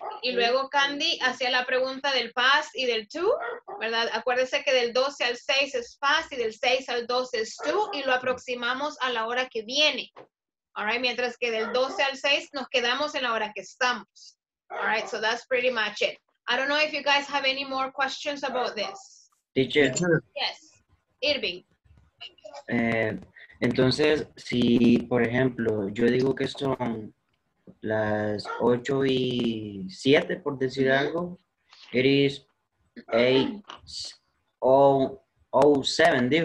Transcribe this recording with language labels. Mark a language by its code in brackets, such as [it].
[es] Y luego Candy hacía la pregunta del past y del to, ¿verdad? Acuérdese que del 12 al 6 es past y del 6 al 12 es to, y lo aproximamos a la hora que viene. All right, mientras que del 12 al 6 nos quedamos en la hora que estamos. [en] All right, so that's pretty much it. I don't know if you guys have any more questions about this. Teacher. Yes, Irving. [es] Entonces, si, por ejemplo, yo digo que son las 8:07, por decir algo, [en] it is 8:07, [es] dijo.